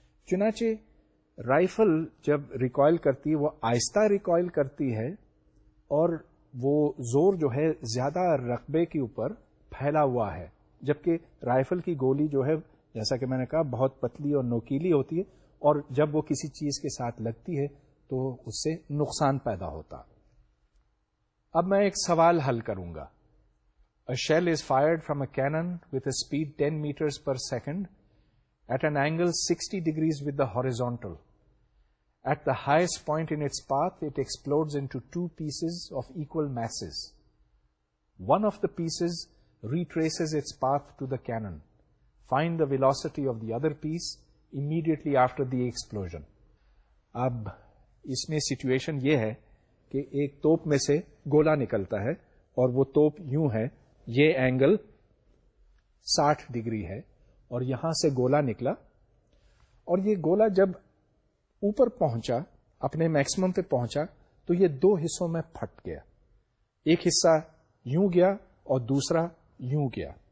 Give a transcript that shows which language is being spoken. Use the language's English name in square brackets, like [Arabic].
[Urdu] چنانچہ رائفل جب ریکوائل کرتی ہے وہ آہستہ ریکوائل کرتی ہے, اور وہ زور جو ہے زیادہ رقبے کے اوپر پھیلا ہوا ہے, جبکہ رائفل کی گولی جو ہے جیسا کہ میں نے کہا بہت پتلی اور نوکیلی ہوتی ہے, اور جب وہ کسی چیز کے ساتھ لگتی ہے تو اس سے نقصان پیدا ہوتا. اب میں ایک سوال حل کروں گا. [English] A shell is fired from a cannon with a speed 10 meters per second at an angle 60 degrees with the horizontal. At the highest point in its path, it explodes into two pieces of equal masses. One of the pieces retraces its path to the cannon. Find the velocity of the other piece immediately after the explosion. [Urdu] اب اس میں situation یہ ہے کہ ایک توپ میں سے گولا نکلتا ہے, اور وہ توپ یوں ہے, یہ اینگل 60 ڈگری ہے, اور یہاں سے گولا نکلا, اور یہ گولا جب اوپر پہنچا اپنے میکسیمم پہ پہنچا تو یہ دو حصوں میں پھٹ گیا, ایک حصہ یوں گیا اور دوسرا یوں گیا.